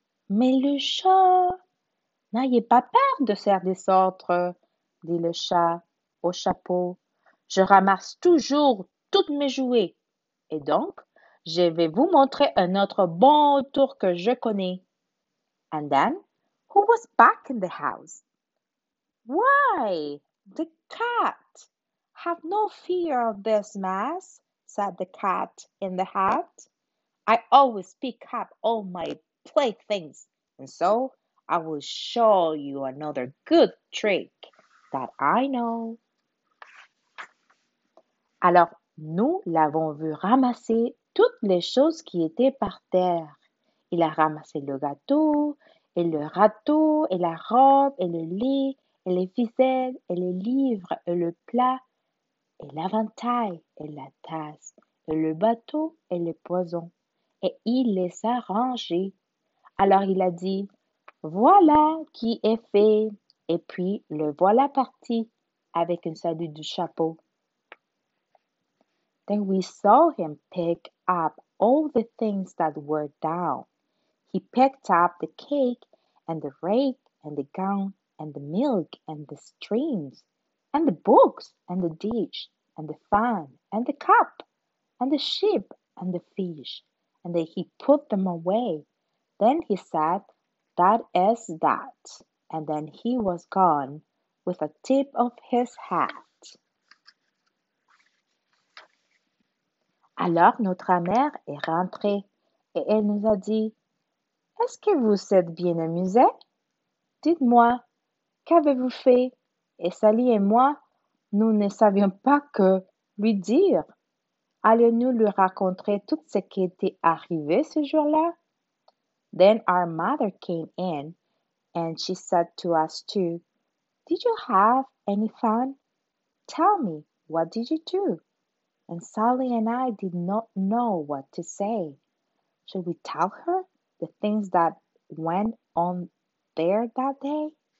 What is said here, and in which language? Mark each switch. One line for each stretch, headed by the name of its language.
French: Mais le chat! N'ayez pas peur de faire des ordres, dit le chat au chapeau. Je ramasse toujours toutes mes jouets. Et donc, je vais vous montrer un autre bon tour que je connais.
English: And then, who was back in the house? Why? The cat. Have no fear of this mess, said the cat in the hat. I always pick up all my playthings. And so, I will show you another good trick that I know.
French: Alors, nous l'avons vu ramasser toutes les choses qui étaient par terre. Il a ramassé le gâteau, et le râteau, et la robe, et le lait, et les ficelles, et les livres, et le plat, et l'éventail, et la tasse, et le bateau, et les poisons. Et il les a rangés. Alors il a dit, voilà qui est fait. Et puis le voilà parti, avec un salut du chapeau.
English: Then we saw him pick up all the things that were down. He picked up the cake and the rake and the gown and the milk and the streams and the books and the dish and the fan and the cup and the sheep and the fish. And then he put them away. Then he said, that is that. And then he was gone with a tip of his hat.
French: Alors, notre mère est rentrée et elle nous a dit, « Est-ce que vous êtes bien amusé? Dites-moi, qu'avez-vous fait? » Et Sally et moi, nous ne savions pas que lui dire. Allez-nous lui raconter tout ce qui était arrivé ce jour-là?
English: Then our mother came in and she said to us too, « Did you have any fun? Tell me, what did you do? » And Sally and I did not know what to say. Should we tell her the things that went on there that day?